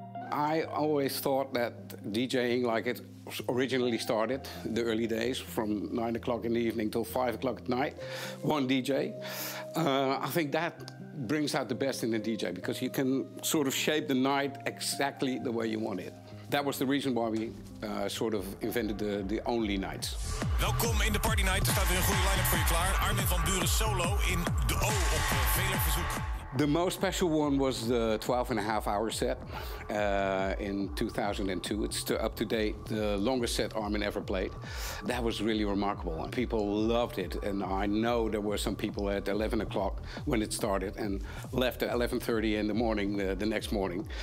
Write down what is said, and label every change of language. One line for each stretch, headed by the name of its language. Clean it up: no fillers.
English: I always thought that DJing, like it originally started, the early days, from 9 o'clock in the evening till 5 o'clock at night, one DJ. I think that brings out the best in the DJ, because you can sort of shape the night exactly the way you want it. That was the reason why we sort of invented the only nights.
Dutch: Welkom in de party night. Er staat weer een goede line-up voor je klaar. Armin van Buuren solo in de O op vele verzoek.
English: The most special one was the 12 and a half hour set in 2002. It's up to date, the longest set Armin ever played. That was really remarkable and people loved it. And I know there were some people at 11 o'clock when it started and left at 11:30 in the morning, the next morning.